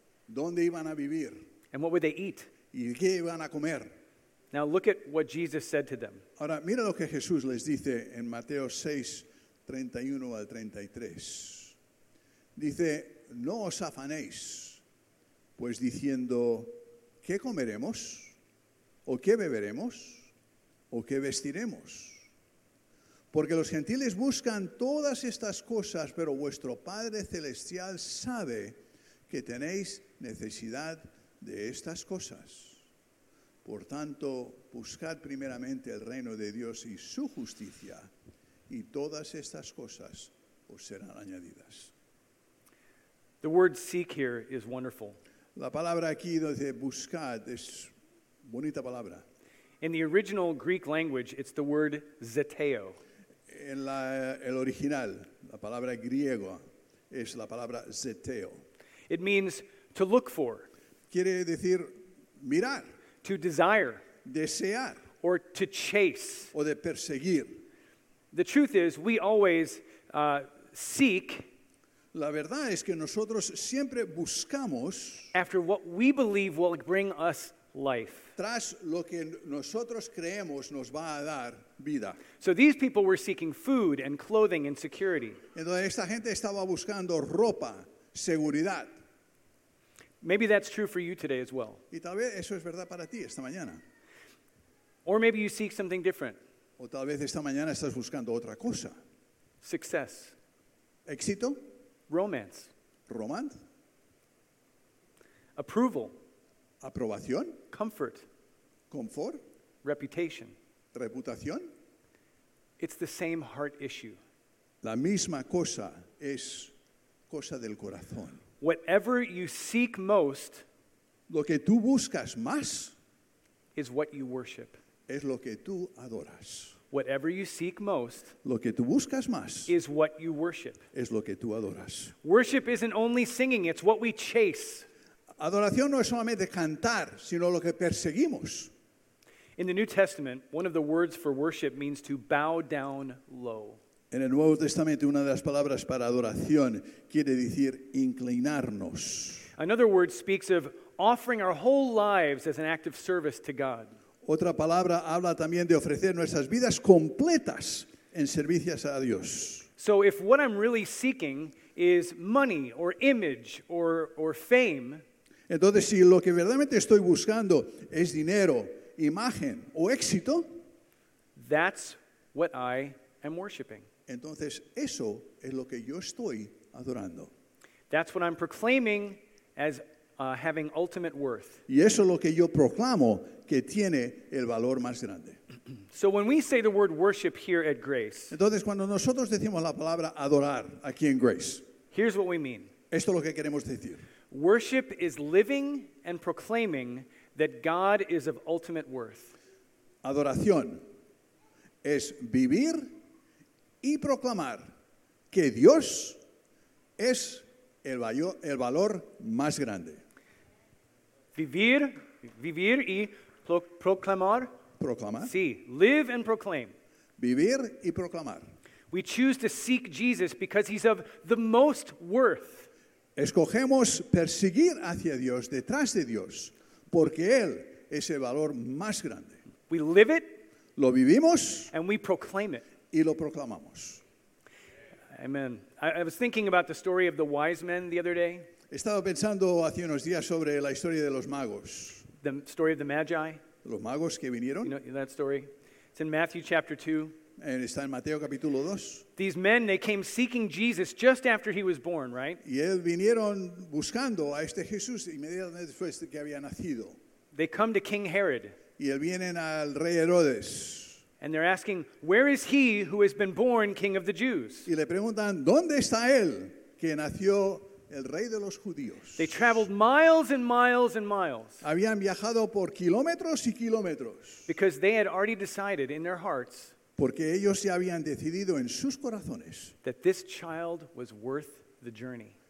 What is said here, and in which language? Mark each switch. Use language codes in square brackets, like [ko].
[es] ¿Dónde iban a vivir? [en] And what would they eat? [es] ¿Y qué iban a comer? [en] Now look at what Jesus said to them. [es] Ahora mira lo que Jesús les dice en Mateo 6, 31 al 33. Dice, no os afanéis, pues diciendo, ¿qué comeremos? ¿O qué beberemos? ¿O qué vestiremos? Porque los gentiles buscan todas estas cosas, pero vuestro Padre Celestial sabe que tenéis necesidad de estas cosas. Por tanto, buscad primeramente el reino de Dios y su justicia, y todas estas cosas os serán añadidas. [en] The word seek here is wonderful. [es] La palabra aquí donde buscad es bonita palabra. [en] In the original Greek language, it's the word zeteo. [es] En la, el original, la palabra griego es la palabra zeteo. [en] It means to look for. [es] Quiere decir mirar. [en] To desire. [es] Desear. [en] Or to chase. [es] O de perseguir. [en] The truth is, we always seek. [es] La verdad es que nosotros siempre buscamos. [en] After what we believe will bring us life. [es] Tras lo que nosotros creemos nos va a dar vida. [en] So these people were seeking food and clothing and security. [es] Entonces esta gente estaba buscando ropa, seguridad. [en] Maybe that's true for you today as well. [es] Y tal vez eso es verdad para ti esta mañana. [en] Or maybe you seek something different. [es] O tal vez esta mañana estás buscando otra cosa. [en] Success. [es] Éxito. [en] Romance. [es] Romance. [en] Approval. [es] Aprobación. [en] Comfort. [es] Confort. [en] Reputation. [es] Reputación. [en] It's the same heart issue. [es] La misma cosa es cosa del corazón. [en] Whatever you seek most, [es] lo que tú buscas más, [en] is what you worship. [es] Es lo que tú adoras. [en] Whatever you seek most, [es] lo que tú buscas más, [en] is what you worship. [es] Es lo que tú adoras. [en] Worship isn't only singing, it's what we chase. [es] Adoración no es solamente cantar, sino lo que perseguimos. [en] In the New Testament, one of the words for worship means to bow down low. [es] En el Nuevo Testamento, una de las palabras para adoración quiere decir inclinarnos. [en] Another word speaks of offering our whole lives as an act of service to God. [es] Otra palabra habla también de ofrecer nuestras vidas completas en servicios a Dios. [en] So if what I'm really seeking is money or image or fame, [es] entonces, si lo que verdaderamente estoy buscando es dinero, imagen o éxito, [en] that's what I am worshiping. [es] Entonces, eso es lo que yo estoy adorando. [en] That's what I'm proclaiming as having ultimate worth. [es] Y eso es lo que yo proclamo que tiene el valor más grande. [en] So when we say the word worship here at Grace, [es] entonces, cuando nosotros decimos la palabra adorar aquí en Grace, [en] here's what we mean. [es] Esto es lo que queremos decir. [en] Worship is living and proclaiming that God is of ultimate worth. [es] Adoración es vivir y proclamar que Dios es el valor más grande. Vivir y proclamar. Proclamar. [en] Sí, live and proclaim. [es] Vivir y proclamar. [en] We choose to seek Jesus because he's of the most worth. [es] Escogemos perseguir hacia Dios, detrás de Dios, porque Él es el valor más grande. [en] We live it, [es] lo vivimos, [en] and we proclaim it. [es] Y lo proclamamos. [en] Amen. I was thinking about the story of the wise men the other day. [es] Estaba pensando hace unos días sobre la historia de los magos. [en] The story of the Magi. [es] Los magos que vinieron. [en] You know that story? It's in Matthew chapter 2. [es] Está en Mateo capítulo 2. [en] These men, they came seeking Jesus just after he was born, right? [es] Y ellos vinieron buscando a este Jesús inmediatamente después de que había nacido. [en] They come to King Herod. [es] Y él vienen al rey Herodes. [en] And they're asking, where is he who has been born king of the Jews? [es] Y le preguntan, ¿dónde está él que nació el rey de los judíos? [en] They traveled miles and miles and miles. [es] Habían viajado por kilómetros y kilómetros. [en] Because they had already decided in their hearts. [es] Porque ellos ya habían decidido en sus corazones. [en] That this child was worth the journey.